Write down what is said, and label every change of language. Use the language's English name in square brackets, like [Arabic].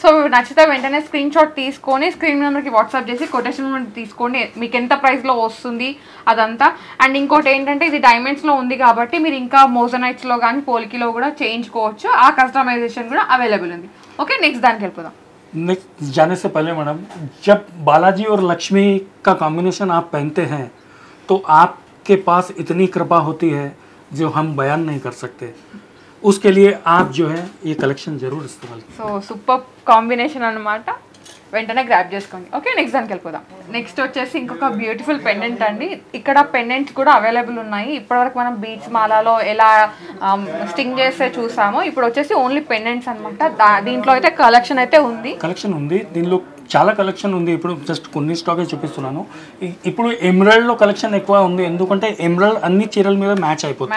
[Telugu] So నచ్చితే వెంటనే screen shot తీసుకొని స్క్రీన్ నెంబర్కి వాట్సాప్ చేసి కొటేషన్ తీసుకోండి, మీకు ఎంత ప్రైస్ లో వస్తుంది అదంతా. అండ్ ఇంకోటి ఏంటంటే ఇది డైమండ్స్ లో ఉంది కాబట్టి మీరు ఇంకా మోజోనైట్స్ లో కానీ పోల్కిలో కూడా చేయించుకోవచ్చు, ఆ కస్టమైజేషన్ కూడా అవైలబుల్ ఉంది. ఓకే, నెక్స్ట్ దానికి వెళ్ళిపోదాం. [Hindi] नेक्स्ट जाने से पहले मैडम, जब बालाजी और लक्ष्मी का कॉम्बिनेशन आप पहनते हैं तो आपके पास इतनी कृपा होती है जो हम बयान नहीं कर सकते, उसके लिए आप जो है ये कलेक्शन जरूर इस्तेमाल करें। [Telugu] सो सुपर कॉम्बिनेशन अन्नमाट, వెంటనే గ్రాప్ చేసుకోండి. ఓకే, నెక్స్ట్ దానికి వెళ్ళిపోదాం. నెక్స్ట్ వచ్చేసి ఇంకొక బ్యూటిఫుల్ పెండెంట్ అండి. ఇక్కడ పెండెంట్స్ కూడా అవైలబుల్ ఉన్నాయి. ఇప్పటివరకు మనం బీచ్ మాలలో ఎలా స్టింగ్ చేస్తే చూసాము, ఇప్పుడు వచ్చేసి ఓన్లీ పెండెంట్స్ అనమాట. దీంట్లో అయితే కలెక్షన్ అయితే ఉంది, కలెక్షన్ ఉంది, దీనిలో చాలా కలెక్షన్ ఉంది. ఇప్పుడు జస్ట్ కొన్ని స్టాకే చూపిస్తున్నాను. ఇప్పుడు ఎమరాల్డ్లో కలెక్షన్ ఎక్కువ ఉంది, ఎందుకంటే ఎమరాల్డ్ అన్ని చీరల మీద మ్యాచ్ అయిపోతుంది.